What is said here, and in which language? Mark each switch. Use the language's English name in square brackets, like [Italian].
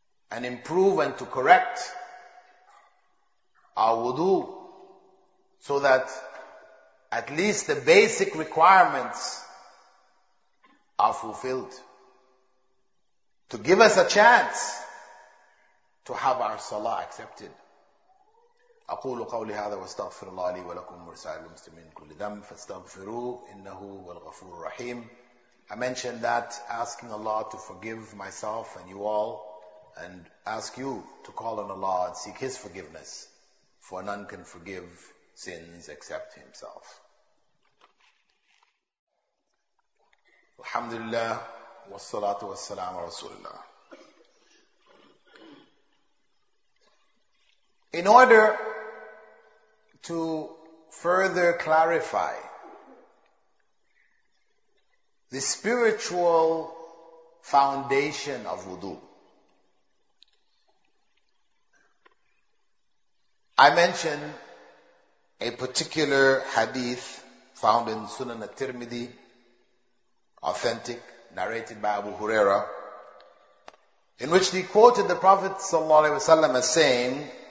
[English] and improve and to correct our wudu, so that at least the basic requirements are fulfilled, to give us a chance to have our salah accepted. [Arabic] أقول قولي هذا واستغفر الله لي ولكم ورسائل المسلمين كل ذنب فاستغفروا إنه هو الغفور الرحيم. [English] I mentioned that asking Allah to forgive myself and you all, and ask you to call on Allah and seek His forgiveness, for none can forgive sins except Himself. [Arabic] الحمد لله والصلاة والسلام على رسول الله. [English] In order to further clarify the spiritual foundation of wudu, I mention a particular hadith found in Sunan at-Tirmidhi, authentic, narrated by Abu Huraira, in which he quoted the Prophet sallallahu alaihi wasallam as saying,